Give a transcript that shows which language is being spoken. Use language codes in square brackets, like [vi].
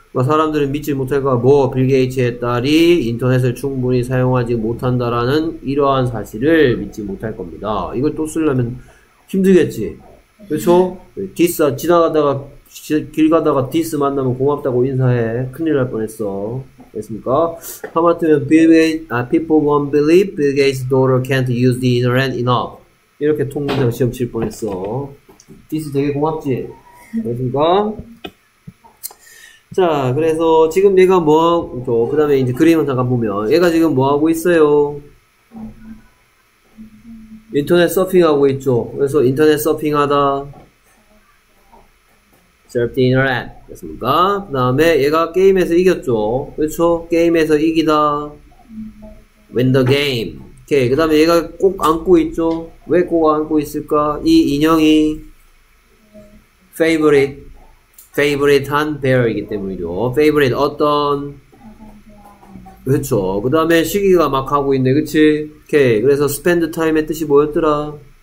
[ko] 사람들은 믿지 못할까? 뭐 빌 게이츠의 딸이 인터넷을 충분히 사용하지 못한다라는 이러한 사실을 믿지 못할 겁니다. 이걸 또 쓰려면 힘들겠지. 그쵸? 디스 지나가다가 길 가다가 디스 만나면 고맙다고 인사해. 큰일 날 뻔했어. 됐습니까? 하마터면 [en] people won't believe Bill Gates' daughter can't use the internet enough. [ko] 이렇게 통문장 시험 칠 뻔했어. 디스 되게 고맙지. 됐습니까? 자, 그래서 지금 얘가 뭐, 그 다음에 이제 그림을 잠깐 보면 얘가 지금 뭐 하고 있어요? 인터넷 서핑하고 있죠. 그래서 인터넷 서핑하다 [en] Surf the internet [ko] 됐습니까? 그 다음에 얘가 게임에서 이겼죠. 그렇죠? 게임에서 이기다 [en] Win the game. [ko] 오케이. 그 다음에 얘가 꼭 안고 있죠. 왜 꼭 안고 있을까? 이 인형이 favorite 한 bear이기 때문이죠. favorite 어떤 그쵸. 그 다음에 시기가 막 하고 있네. 그치? 오케이. 그래서 [en] spend time [ko] 의 뜻이 뭐였더라?